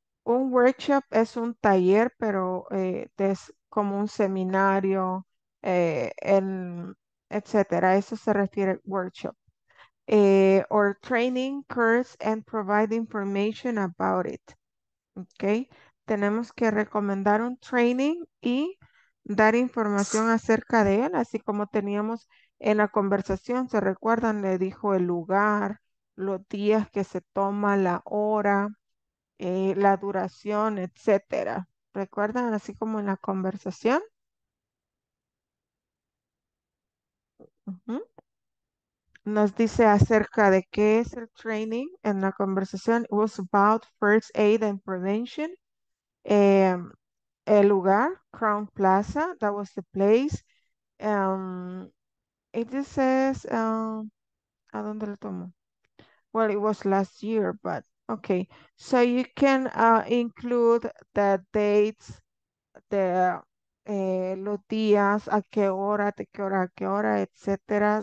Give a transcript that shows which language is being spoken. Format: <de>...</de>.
<es>Un workshop es un taller, pero es como un seminario, etcétera. Eso se refiere a workshop.</es> <en>Or training, course, and provide information about it. Okay.</en> <es>Tenemos que recomendar un training y dar información acerca de él, así como teníamos en la conversación, ¿se recuerdan? Le dijo el lugar, los días que se toma, la hora, la duración, etcétera. ¿Recuerdan? Así como en la conversación. Nos dice acerca de qué es el training en la conversación.</es> <en>It was about first aid and prevention.</en> <es>El lugar,</es> <en>Crown Plaza, that was the place. It just says,</en> <es>¿a dónde lo tomo?</es> <en>Well, it was last year, but okay. So you can include the dates,</en> <es>the los días, a qué hora,</es> <en>de qué hora, a qué hora, etc.</en>